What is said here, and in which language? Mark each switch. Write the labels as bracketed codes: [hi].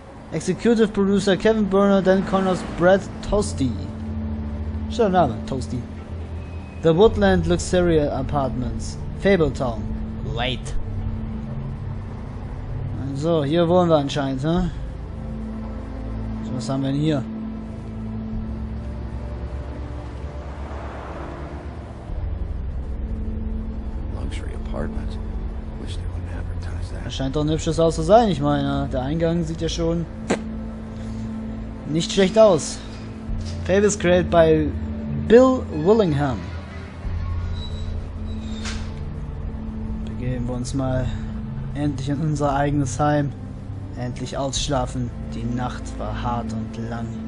[en] Executive Producer Kevin Burner, Dan Connors, Brad Toasty. [de] Schöner Name, Toasty. [en] The Woodland Luxurious Apartments. Fable Town. Wait. [de] So, hier wohnen wir anscheinend, ne? So, was haben wir denn hier? [en] Luxury apartment. Wish they wouldn't advertise that. [de] Das scheint doch ein hübsches Haus zu sein, ich meine. Der Eingang sieht ja schon nicht schlecht aus. [en] Favis created by Bill Willingham. [de] Begeben wir uns mal endlich in unser eigenes Heim. Endlich ausschlafen. Die Nacht war hart und lang.